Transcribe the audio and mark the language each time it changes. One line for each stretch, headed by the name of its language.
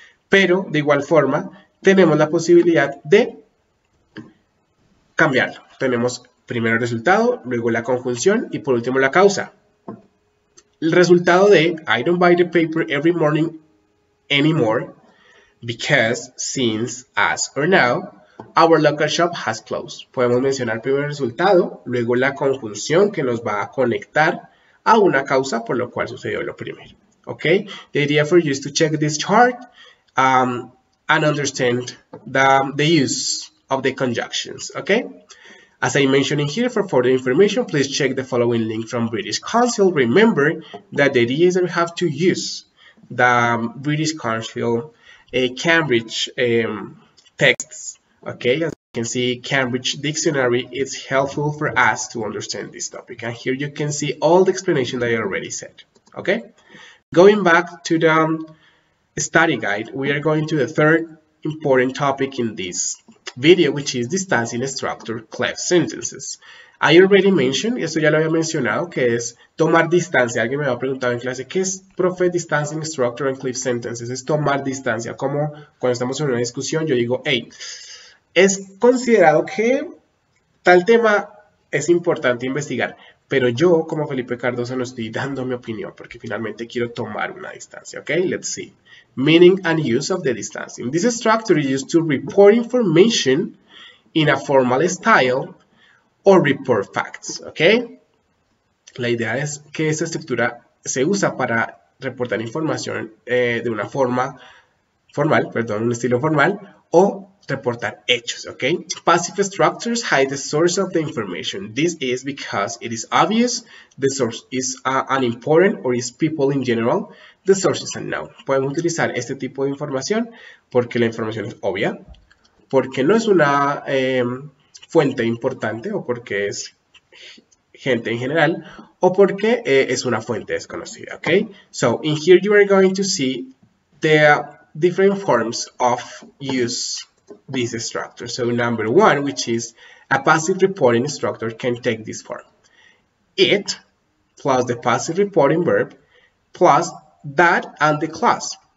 Spanish: Pero, de igual forma, tenemos la posibilidad de cambiarlo. Tenemos primero el resultado, luego la conjunción y por último la causa. El resultado de
English: I don't buy the paper every morning anymore. Because, since, as, or now, our local shop has closed.
Spanish: Podemos mencionar primero el resultado, luego la conjunción que nos va a conectar a una causa por lo cual sucedió lo primero.
English: Okay? The idea for you is to check this chart and understand the use of the conjunctions. Okay? As I mentioned in here, for further information, please check the following link from British Council. Remember that the idea is that we have to use the British Council. A Cambridge texts, okay? can see Cambridge Dictionary is helpful for us to understand this topic. And here you can see all the explanation that I already said. Okay, going back to the study guide, we are going to the third important topic in this video, which is distancing structure cleft sentences. I already mentioned,
Spanish: eso ya lo había mencionado, que es tomar distancia. Alguien me había preguntado en clase, ¿qué es, profe,
English: distancing structure and cleft sentences?
Spanish: Es tomar distancia. Como cuando estamos en una discusión, yo digo, hey, es considerado que tal tema es importante investigar. Pero yo, como Felipe Cardoso, no estoy dando mi opinión porque finalmente quiero tomar una distancia.
English: Ok, let's see. Meaning and use of the distancing. This structure is used to report information in a formal style or report facts. Ok.
Spanish: La idea es que esta estructura se usa para reportar información de una forma formal, perdón, un estilo formal, o reportar hechos, okay?
English: Passive structures hide the source of the information. This is because it is obvious the source is unimportant or is people in general. The source is unknown.
Spanish: Podemos utilizar este tipo de información porque la información es obvia, porque no es una fuente importante o porque es gente en general o porque es una fuente desconocida, okay?
English: So, in here you are going to see the different forms of use this structure. So number one, which is a passive reporting structure, can take this form. It plus the passive reporting verb plus that and the clause.